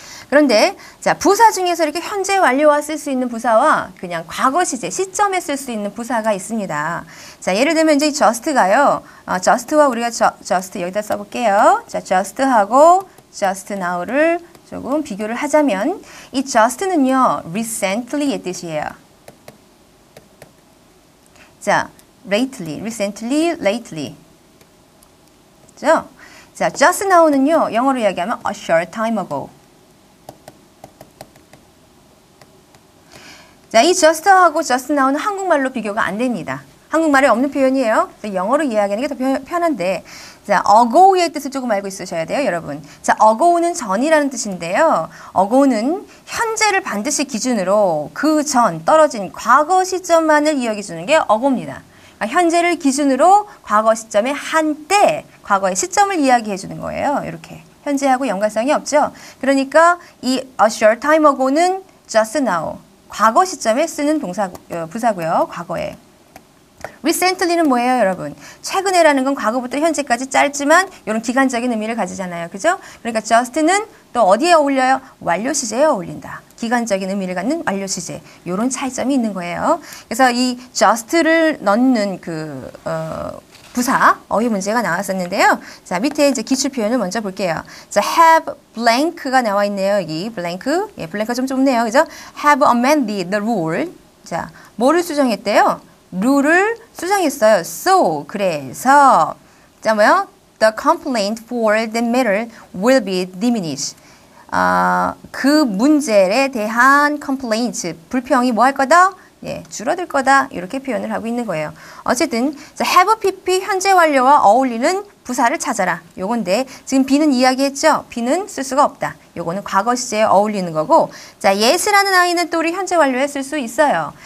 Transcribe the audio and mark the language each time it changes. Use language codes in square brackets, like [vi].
[ko] 그런데 자, 부사 중에서 이렇게 현재 완료와 쓸 수 있는 부사와 그냥 과거 시제, 시점에 쓸 수 있는 부사가 있습니다. 자, 예를 들면 이제 just가요. just와 우리가 just 여기다 써볼게요. 자, just하고 just now를 조금 비교를 하자면 이 just는요, recently의 뜻이에요. [en] 자, lately, recently, lately. [ko] 그죠? 자, just now는요, 영어로 이야기하면 [en] a short time ago. [ko] 자, 이 just하고 just now는 한국말로 비교가 안 됩니다. 한국말에 없는 표현이에요. 영어로 이야기하는 게 더 편한데, 자, ago의 뜻을 조금 알고 있으셔야 돼요, 여러분. 자, ago는 전이라는 뜻인데요. ago는 현재를 반드시 기준으로 그 전, 떨어진 과거 시점만을 이야기 주는 게 ago입니다. 그러니까 현재를 기준으로 과거 시점의 한때, 과거의 시점을 이야기해 주는 거예요, 이렇게. 현재하고 연관성이 없죠. 그러니까 이 a short time ago는 just now. 과거 시점에 쓰는 동사 부사고요. 과거에. recently는 뭐예요, 여러분? 최근에라는 건 과거부터 현재까지 짧지만 이런 기간적인 의미를 가지잖아요. 그죠? 그러니까 just는 또 어디에 어울려요? 완료 시제에 어울린다. 기간적인 의미를 갖는 완료 시제. 이런 차이점이 있는 거예요. 그래서 이 just를 넣는 그 부사 어휘 문제가 나왔었는데요. 자, 밑에 이제 기출 표현을 먼저 볼게요. 자, have blank가 나와 있네요. 여기 blank. 예, blank가 좀 좁네요. 그죠? [en] have amended the rule. [ko] 자, 뭐를 수정했대요? rule을 수정했어요. so 그래서 자, 뭐요? [en] the complaint for the matter will be diminished. [ko] 그 문제에 대한 complaint 불평이 뭐 할 거다? 예, 줄어들 거다 이렇게 표현을 하고 있는 거예요. 어쨌든 자, have a PP 현재 완료와 어울리는 부사를 찾아라. 요건데 지금 be는 이야기했죠? be는 쓸 수가 없다. 요거는 과거 시제에 어울리는 거고 자, yes라는 아이는 또 우리 현재 완료에 쓸 수 있어요.